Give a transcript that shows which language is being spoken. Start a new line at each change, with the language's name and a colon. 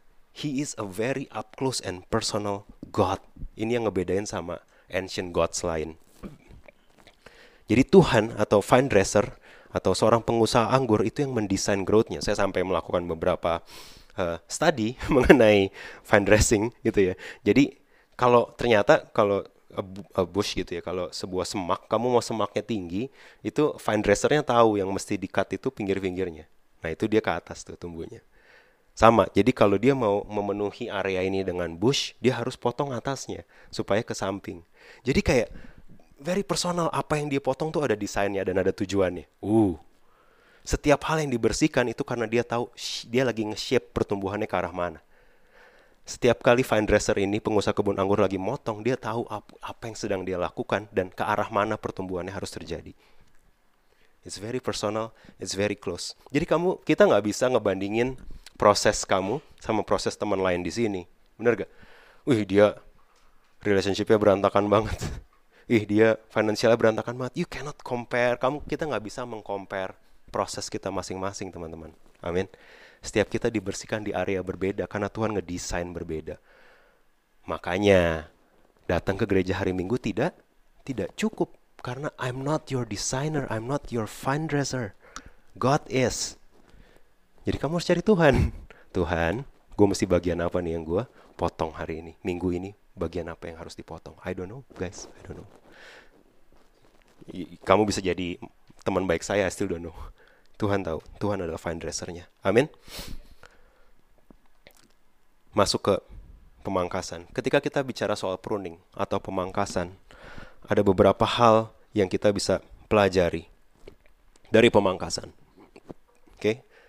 English: He is a very up close and personal God.
Indonesian: Ini yang ngebedain sama ancient gods lain. Jadi Tuhan atau fine dresser atau seorang pengusaha anggur itu yang mendesain growth-nya. Saya sampai melakukan beberapa study mengenai vine dressing gitu ya. Jadi kalau ternyata kalau a bush gitu ya, kalau sebuah semak, kamu mau semaknya tinggi, itu vine dresser-nya tahu yang mesti di-cut itu pinggir-pinggirnya. Nah itu dia ke atas tuh tumbuhnya. Sama, jadi kalau dia mau memenuhi area ini dengan bush, dia harus potong atasnya supaya ke samping. Jadi kayak
English: very personal,
Indonesian: apa yang dia potong tuh ada desainnya dan ada tujuannya. Setiap hal yang dibersihkan itu karena dia tahu dia lagi nge-shape pertumbuhannya ke arah mana. Setiap kali vine dresser ini, pengusaha kebun anggur lagi motong, dia tahu apa yang sedang dia lakukan dan ke arah mana pertumbuhannya harus terjadi.
English: It's very personal, it's very close.
Indonesian: Jadi kamu, kita nggak bisa ngebandingin proses kamu sama proses teman lain di sini. Bener gak? Wih, dia relationship-nya berantakan banget. Ih, dia financial-nya berantakan banget.
English: You cannot compare.
Indonesian: Kita nggak bisa meng-compare proses kita masing-masing, teman-teman. Amin. Setiap kita dibersihkan di area berbeda karena Tuhan ngedesain berbeda. Makanya datang ke gereja hari Minggu tidak cukup, karena
English: I'm not your designer, I'm not your fine dresser, God is.
Indonesian: Jadi kamu harus cari Tuhan. Tuhan, gue mesti bagian apa nih yang gue potong hari ini, Minggu ini, bagian apa yang harus dipotong?
English: I don't know, guys. I don't know.
Indonesian: Kamu bisa jadi teman baik saya,
English: I still don't know.
Indonesian: Tuhan tahu, Tuhan adalah fine dresser-nya. Amin. Masuk ke pemangkasan. Ketika kita bicara soal pruning atau pemangkasan, ada beberapa hal yang kita bisa pelajari dari pemangkasan. Oke.